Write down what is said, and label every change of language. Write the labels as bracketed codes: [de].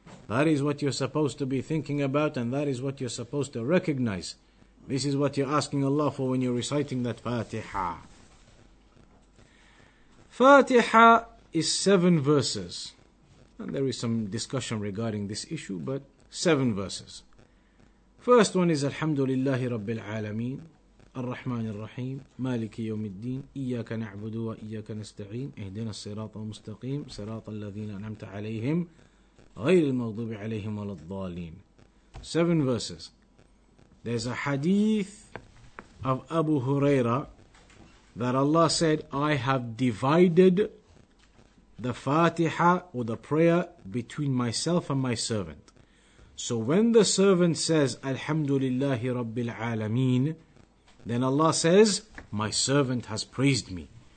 [en] That is what you're supposed to be thinking about, and that is what you're supposed to recognize. This is what you're asking Allah for when you're reciting that Fatiha. Fatiha is 7 verses. And there is some discussion regarding this issue, but 7 verses. First one is [ar] Alhamdulillahi Rabbil Alameen. الرحمن الرحيم مالك يوم الدين إياك نعبد وإياك نستعين اهدنا الصراط المستقيم صراط الذين أنعمت عليهم غير المغضوب عليهم ولا الضالين. [en] 7 verses. There's a hadith of Abu Huraira that Allah said, I have divided the Fatiha or the prayer between myself and my servant. So when the servant says [ar] Alhamdulillahi Rabbil Alameen, [en] then Allah says, my servant has praised me.